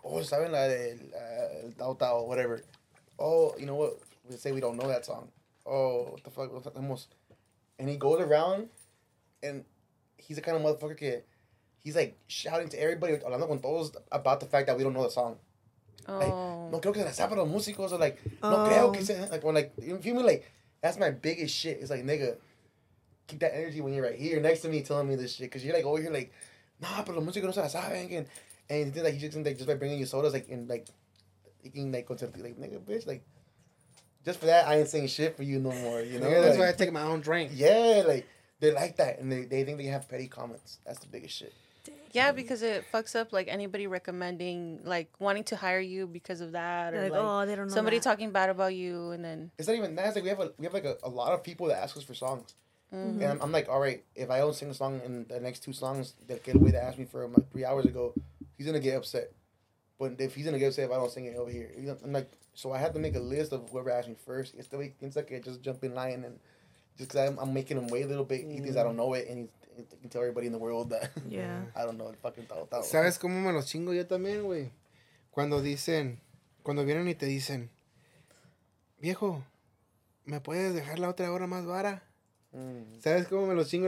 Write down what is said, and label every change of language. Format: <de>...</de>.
<es>Oh, ¿saben la de el Tao Tao, whatever?</es> <en>Oh, you know what? We say we don't know that song. Oh, what the fuck? What the most? And he goes around, and he's the kind of motherfucker que he's, like, shouting to everybody,</en> <es>hablando con todos,</es> <en>about the fact that we don't know the song. Oh.</en> <es>Like, no creo que se la sepa los músicos.</es> <en>Or, like,</en> <es>no creo que se...</es> <en>Like, when, like, you feel me? Like, that's my biggest shit. It's like, nigga, keep that energy when you're right here next to me telling me this shit. Because you're, like, over here, like... Nah, but the music</en> <es>no se la saben.</es> <en>And he did, like, he just, like, just by bringing you sodas, like, and, like, eating, like, concert, like, nigga, bitch, like, just for that, I ain't saying shit for you no more, you know? Yeah, that's like, why I take my own drink. Yeah, like, they like that, and they think they have petty comments. That's the biggest shit. Yeah, so, because it fucks up, like, anybody recommending, like, wanting to hire you because of that, or, like, they don't know somebody that. Talking bad about you, and then... It's not even that. It's like, we have a lot of people that ask us for songs. Mm-hmm. And I'm like, all right, if I don't sing a song in the next two songs, the kid that asked me for him like 3 hours ago, he's going to get upset. But if he's going to get upset if I don't sing it over here. I'm like, so I have to make a list of whoever asked me first. It's the way he thinks like I just jump in line and just because I'm making him wait a little bit. Mm-hmm. He thinks I don't know it and he can tell everybody in the world that yeah. I don't know el fucking tal, tal.</en> <es>¿Sabes cómo me los chingo yo también, güey? Cuando dicen, cuando vienen y te dicen, viejo, ¿me puedes dejar la otra hora más vara? ¿Sabes cómo me los chingo?</es>